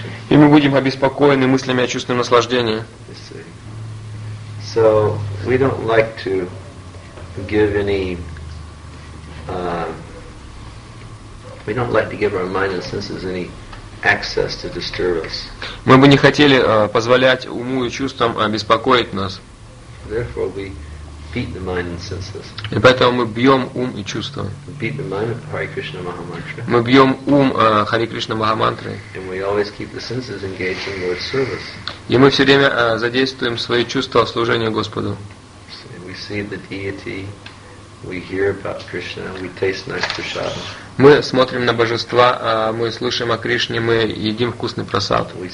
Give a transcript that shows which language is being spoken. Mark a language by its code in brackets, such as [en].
[ru] И мы будем обеспокоены мыслями о чувстве наслаждения. [en] So we don't like to give any we don't like to give our mind and senses any access to disturb us. [ru] Мы бы не хотели позволять уму и чувствам беспокоить нас. [en] Therefore we beat the mind and senses. [ru] И поэтому мы бьем ум и чувства. [en] Beat the mind of Hare Krishna Maha Mantra. [ru] Мы бьем ум Хари Кришна Маха Мантры. [en] And we always keep the senses engaged in Lord's service. [ru] И мы все время задействуем свои чувства в служении Господу. [en] We see the deity. We hear about Krishna. We taste nice prasadam. [ru] Мы смотрим на божества, мы слышим о Кришне, мы едим вкусный прасад.